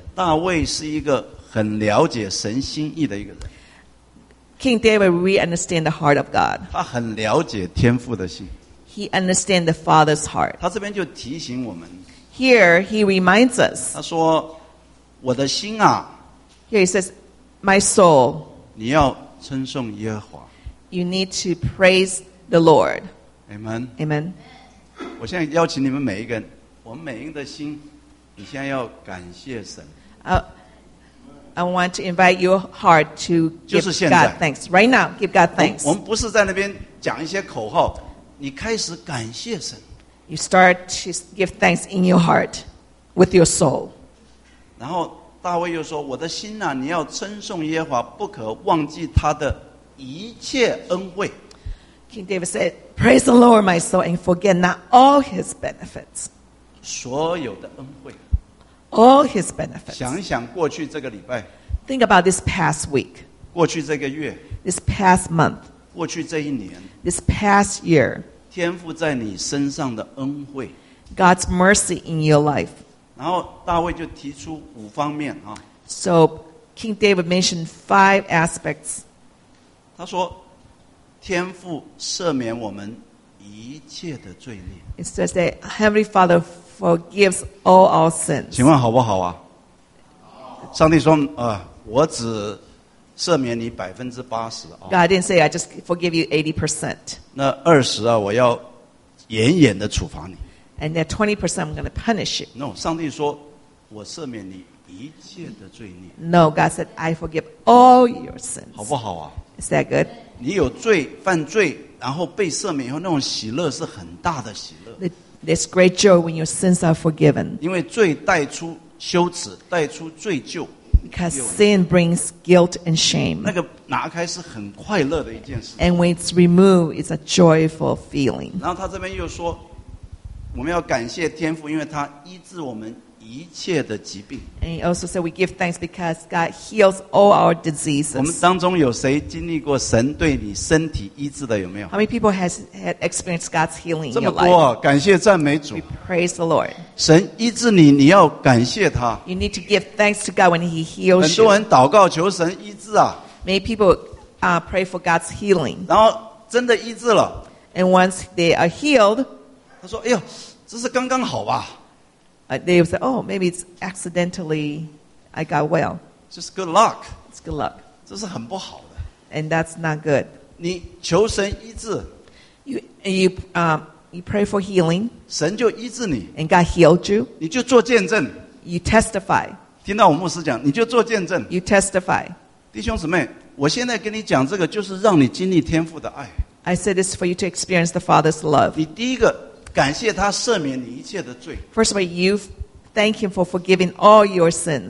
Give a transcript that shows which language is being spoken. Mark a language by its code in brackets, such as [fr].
[zh] 大卫是一个很了解神心意的一个人。 [en] King David really understand the heart of God. [zh] 他很了解天父的心。 [en] He understand the Father's heart. [zh] 他这边就提醒我们。 [en] Here he reminds us. [zh] 他说：“我的心啊。” [en] Here he says. My soul, [zh] 你要称颂耶和华。 [en] You need to praise the Lord. Amen. Amen. [zh] 我现在邀请你们每一个人，我们每一个人的心，你现在要感谢神。 [en] I want to invite your heart to give God thanks right now. Give God thanks. [zh] 我们不是在那边讲一些口号，你开始感谢神。 [en] You start to give thanks in your heart with your soul. [zh] 然后。大卫又说：“我的心啊，你要称颂耶和华，不可忘记他的一切恩惠。” [en] King David said, "Praise the Lord, my soul, and forget not all His benefits." [zh] 所有的恩惠 [en] ，all His benefits. [zh] 想一想过去这个礼拜 [en] ，think about this past week. [zh] 过去这个月 [en] ，this past month. [zh] 过去这一年 [en] ，this past year. [zh] 天父在你身上的恩惠 [en] ，God's mercy in your life. [zh] 然后大卫就提出五方面啊。 [en] So King David mentioned five aspects. [zh] 他说：“天父赦免我们一切的罪孽。” [en] It says that Heavenly Father forgives all our sins. [zh] 请问好不好啊？上帝说：“我只赦免你80%啊。” [en] God didn't say I just forgive you 80%. [zh] 那20%啊，我要严严的处罚你。 [en] And that 20%, I'm going to punish you. [zh] No, 上帝说，我赦免你一切的罪孽。 [en] No, God said, I forgive all your sins. [zh] 好不好啊？ [en] Is that good? [zh] 你有罪犯罪，然后被赦免以后，那种喜乐是很大的喜乐。 [en] There's great joy when your sins are forgiven. [zh] 因为罪带出羞耻，带出罪疚。 [en] Because sin brings guilt and shame. [zh] 那个拿开是很快乐的一件事。 [en] And when it's removed, it's a joyful feeling. [zh] 然后他这边又说。我们要感谢天父，因为他医治我们一切的疾病。 [en] And he also said, "We give thanks because God heals all our diseases." [zh] 我们当中有谁经历过神对你身体医治的？有没有 [en] ？How many people has had experienced God's healing in your life? [zh] 这么多，感谢赞美主。 [en] We praise the Lord. [zh] 神医治你，你要感谢他。 [en] You need to give thanks to God when He heals you. [zh] 很多人祷告求神医治啊。 [en] Many people pray for God's healing. [zh] 然后真的医治了。 [en] And once they are healed. [zh] 他说：“哎呦，这是刚刚好吧 [en] ？”They said, "Oh, maybe it's accidentally I got well." Just good luck. It's good luck. [zh] 这是很不好的。 [en] And that's not good. [zh] 你求神医治 [en] ，you pray for healing. [zh] 神就医治你 [en] ，and God healed you. [zh] 你就做见证 [en] ，you testify. [zh] 听到我牧师讲，你就做见证 [en] ，you testify. [zh] 弟兄姊妹，我现在跟你讲这个，就是让你经历天父的爱。 [en] I said this for you to experience the Father's love. [zh] 你第一个。感谢他赦免你一切的罪。 [en] First of all, you thank him for forgiving all your sins.